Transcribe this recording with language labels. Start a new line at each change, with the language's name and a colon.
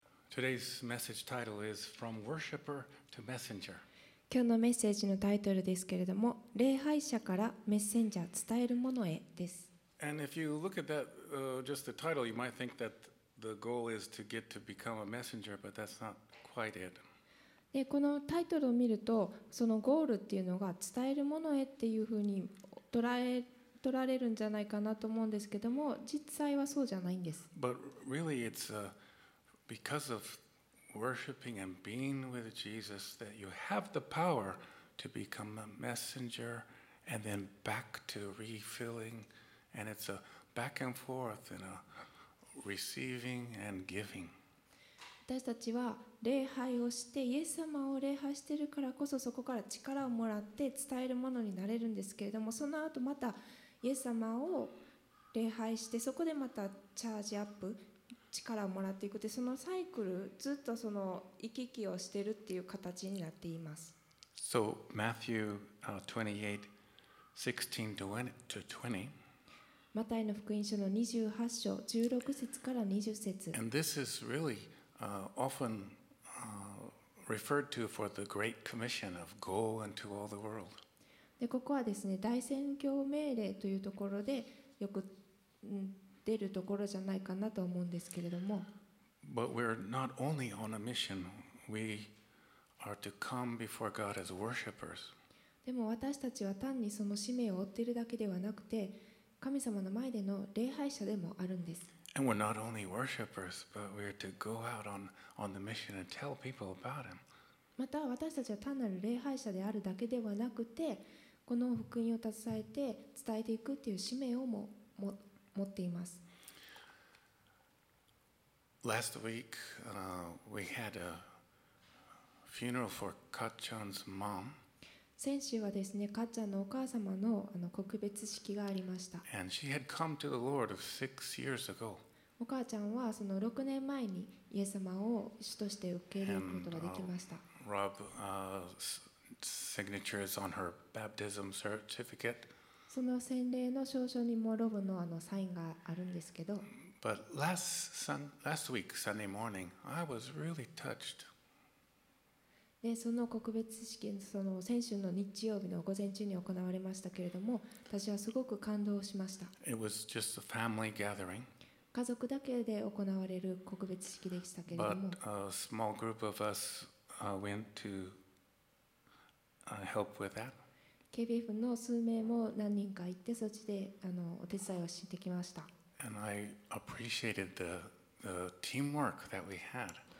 English: Today's message title is From Worshipper to Messenger.
Japanese: 今日のメッセージのタイトルですけれども、礼拝者からメッセンジャー、伝えるものへです。
English: And if you look at that, just the title, you might think that the goal is to get to become a messenger, but that's not quite it.
Japanese: で、このタイトルを見ると、そのゴールっていうのが伝えるものへっていうふうに取られるんじゃないかなと思うんですけども、実際はそうじゃないんです。
English: But really, it's because of worshiping and being with Jesus that you have the power to become a messenger and then back to refilling and it's a back and forth and a receiving and giving.
Japanese: 私たちは礼拝をしてイエス様を礼拝しているからこそそこから力をもらって伝えるものになれるんですけれどもその後またイエス様を礼拝してそこでまたチャージアップ力をもらっていくってそのサイクルずっとその行き来をしているっていう形になっています。
English: So Matthew 28:16-20.
Japanese: マタイの福音書の28章16節から20節。
English: And this is really often referred to for the Great Commission of go into all the world.
Japanese: でここはですね大宣教命令というところでよく。出るところじゃないかなと思うんですけれども。
English: But we're not only on a mission. We are to come before God as worshippers.
Japanese: でも私たちは単にその使命を追っているだけではなくて、神様の前での礼拝者でもあるんです。
English: And we're not only worshippers, but we're to go out on the mission and tell people about Him.
Japanese: また私たちは単なる礼拝者であるだけではなくて、この福音を携えて伝えていくっていう使命をも持っています。
English: Last week, we had a funeral for Kat-chan's mom.
Japanese: 先週はですね、かっちゃんのお母様の、告別式がありました。
English: And she had come to the Lord 6 years ago.
Japanese: お母ちゃんはその6年前にイエス様を主として受け入れることができました。
English: And, Rob's signature is on her baptism certificate.
Japanese: その洗礼の証書にもロブの、サインがあるんですけど。
English: But last week, Sunday morning, I was really touched.
Japanese: で、その告別式、その先週の日曜日の午前中に行われましたけれども、私はすごく感動しました。
English: It was just a family gathering.
Japanese: 家族だけで行われる告別式でしたけれども。
English: But a small group of us went to help with that.
Japanese: KBF の数名も何人か行ってそっちでお手伝いをしてきました。
English: And I appreciated the teamwork that we had.